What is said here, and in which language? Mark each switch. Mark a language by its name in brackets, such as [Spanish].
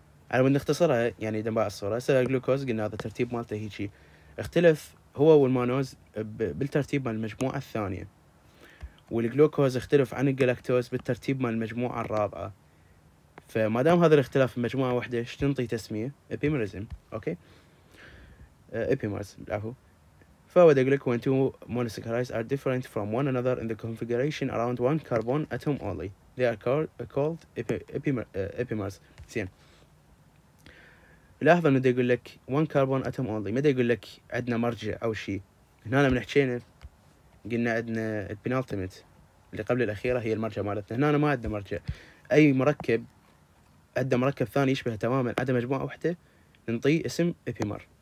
[Arabic] على ما نختصرها يعني دماء الصورة سأل الجلوكوز قلنا هذا ترتيب مالته هيجي اختلف هو والمانوز بالترتيب مال المجموعة الثانية والجلوكوز اختلف عن الجلاكتوز بالترتيب مال المجموعة الرابعة. فما دام هذا الاختلاف مجموعة واحدة ايش تنطي تسمية ابيميريزم. اوكي ابيميريز لعفو. فأود أقول لك [English] when two monosaccharides are different from one another in the configuration around one carbon atom only, they are called epimers. [Arabic] زين. لاحظ إنه ده يقول لك [English] one carbon atom only. [Arabic] ما ده يقول لك عندنا مرجع أو شيء. هنا لما نحكينا قلنا عندنا penultimate اللي قبل الأخيرة هي المرجع مالتنا. هنا أنا ما عندنا مرجع. أي مركب عنده مركب ثاني يشبه تماماً عنده مجموعة واحدة نعطيه اسم epimer.